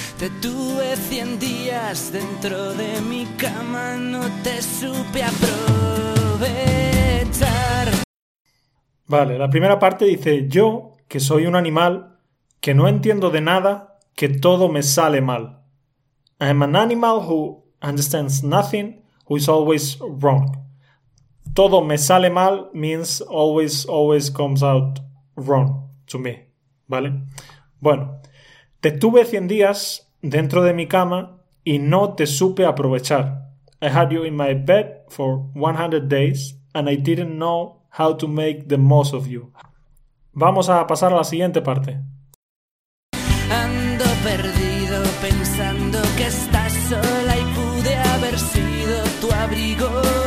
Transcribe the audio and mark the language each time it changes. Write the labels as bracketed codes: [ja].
[es] Te tuve 100 días dentro de mi cama, no te supe aprovechar. Vale, la primera parte dice: yo, que soy un animal, que no entiendo de nada, que todo me sale mal. [en] I am an animal who understands nothing, who is always wrong. [es] Todo me sale mal [en] means always comes out wrong to me, [es] ¿vale? Bueno, te tuve 100 días dentro de mi cama y no te supe aprovechar. [en] I had you in my bed for 100 days and I didn't know how to make the most of you. [es] Vamos a pasar a la siguiente parte. Ando perdido pensando que estás sola y pude haber sido tu abrigo.